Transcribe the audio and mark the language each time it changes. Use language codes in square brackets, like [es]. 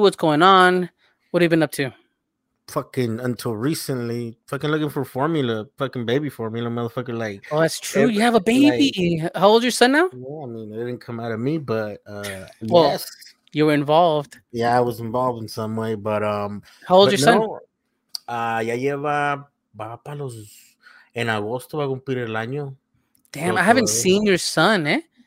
[en] What's going on? What have you been up to? Fucking until recently, fucking looking for formula, fucking baby formula, motherfucker. Like, oh, that's true. You have a baby. Like, how old is your son now? Yeah, I mean, it didn't come out of me, but well, yes, you were involved. Yeah, I was involved in some way, but how old is your son? [es] Ya lleva va para los en agosto va a cumplir el año. [en] Damn, I haven't seen your son, eh?